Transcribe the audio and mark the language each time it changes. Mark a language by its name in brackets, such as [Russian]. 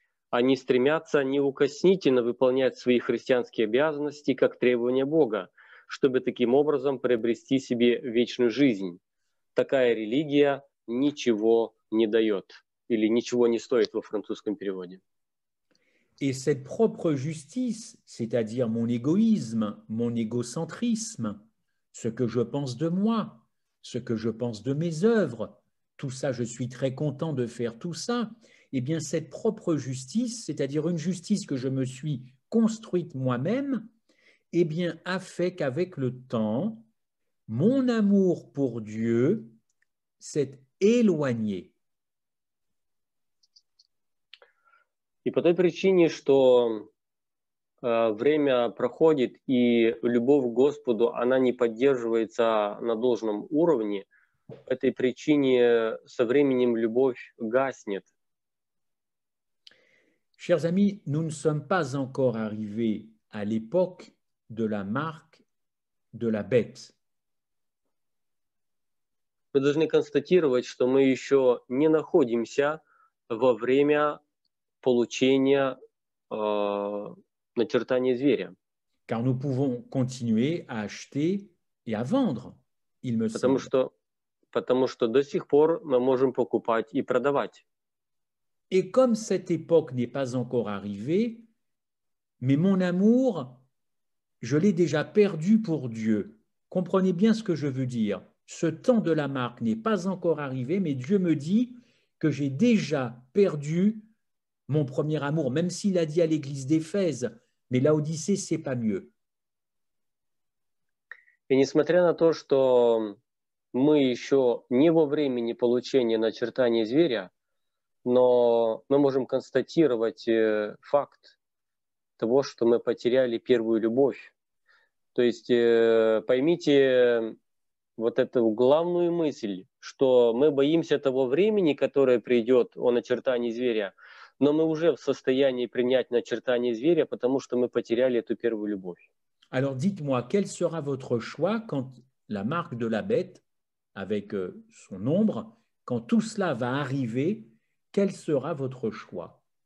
[Russian] Они стремятся неукоснительно выполнять свои христианские обязанности как требования Бога, чтобы таким образом приобрести себе вечную жизнь. Такая религия ничего не дает или ничего не стоит во французском переводе. [French] Et cette propre justice, c'est-à-dire mon égoïsme, mon égocentrisme, ce que je pense de moi, ce que je pense de mes œuvres, tout ça, je suis très content de faire tout ça, eh bien cette propre justice, c'est-à-dire une justice que je me suis construite moi-même, eh bien a fait qu'avec le temps, mon amour pour Dieu s'est éloigné. [Russian] И по той причине, что время проходит, и любовь к Господу, она не поддерживается на должном уровне, по этой причине со временем любовь гаснет. [French] Chers amis, nous ne sommes pas encore arrivés à l'époque de la marque de la bête. [Russian] Мы должны констатировать, что мы еще не находимся во время получения начертания зверя. [French] Car nous pouvons continuer à acheter et à vendre, il me semble. [Russian] Потому что до сих пор мы можем покупать и продавать. [French] Et comme cette époque n'est pas encore arrivée, mais mon amour, je l'ai déjà perdu pour Dieu. Comprenez bien ce que je veux dire. Ce temps de la marque n'est pas encore arrivé, mais Dieu me dit que j'ai déjà perdu mon premier amour, même s'il a dit à l'église d'Éphèse, mais Laodicée, c'est pas mieux. Et [Russian] несмотря на то, что мы еще не во времени получения начертания зверя, но мы можем констатировать факт того, что мы потеряли первую любовь. То есть поймите вот эту главную мысль, что мы боимся того времени, которое придет о начертании зверя, но мы уже в состоянии принять начертание зверя, потому что мы потеряли эту первую любовь. [French] Alors dites-moi, quel sera votre choix quand la marque de la bête, avec son ombre, quand tout cela va arriver, quel sera votre choix?